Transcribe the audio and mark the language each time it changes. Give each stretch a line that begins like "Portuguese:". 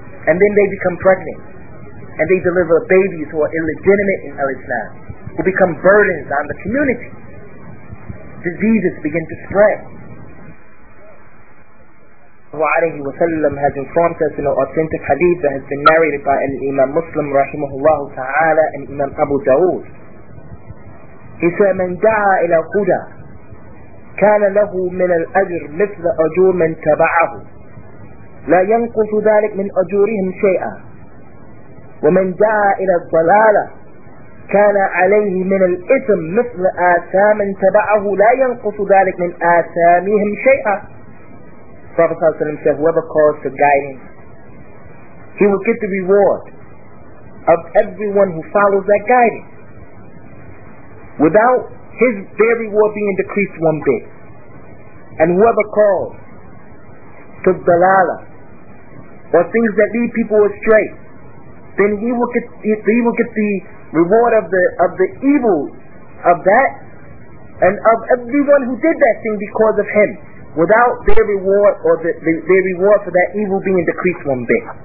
English: And then they become pregnant. And they deliver babies who are illegitimate in Al-Islam, who become burdens on the community. Diseases begin to spread. Alayhi wa sallam has informed us in an authentic hadith that has been narrated by Imam Muslim rahimahullah ta'ala and Imam Abu Dawood. He said,
Arabic: من دعا إلى قدى كان له من الأجر مثل أجور من تبعه لا ينقص ذلك من أجورهم شيئا ومن دعا إلى الضلالة كان عليه من الإثم مثل آثام من تبعه لا ينقص ذلك من آثامهم شيئا.
English: Prophet ﷺ said, whoever calls to guidance, he will get the reward of everyone who follows that guidance, without their reward being decreased one bit. And whoever calls to dalala, or things that lead people astray, then he will get the reward of the evil of that, and of everyone who did that thing because of him, without their reward or their reward for that evil being decreased one bit.